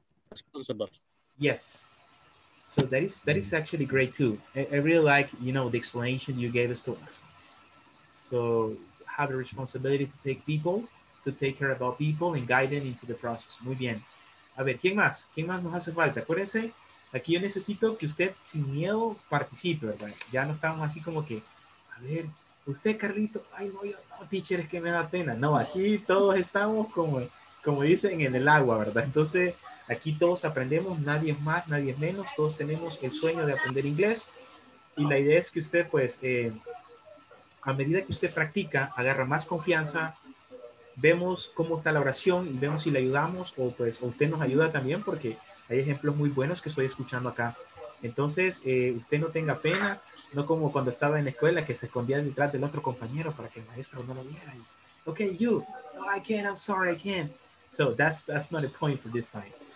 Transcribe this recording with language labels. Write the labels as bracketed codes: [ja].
[en] Responsible. Yes. So that is actually great too. I really like, you know, the explanation you gave us to us. So have a responsibility to take care about people and guide them into the process. [es] Muy bien. A ver, ¿quién más? ¿Quién más nos hace falta? Acuérdense, aquí yo necesito que usted sin miedo participe, ¿verdad? Ya no estamos así como que, a ver, usted, Carlito, ay, no, yo no, teacher, es que me da pena. No, aquí todos estamos como dicen, en el agua, ¿verdad? Entonces, aquí todos aprendemos, nadie es más, nadie es menos, todos tenemos el sueño de aprender inglés. Y la idea es que usted, pues, a medida que usted practica, agarra más confianza, vemos cómo está la oración y vemos si le ayudamos o pues usted nos ayuda también, porque hay ejemplos muy buenos que estoy escuchando acá. Entonces, usted no tenga pena, no como cuando estaba en la escuela que se escondía detrás del otro compañero para que el maestro no lo viera. [en] Y, ok, you. No, I can't. I'm sorry. I can't. So, that's not a point for this time.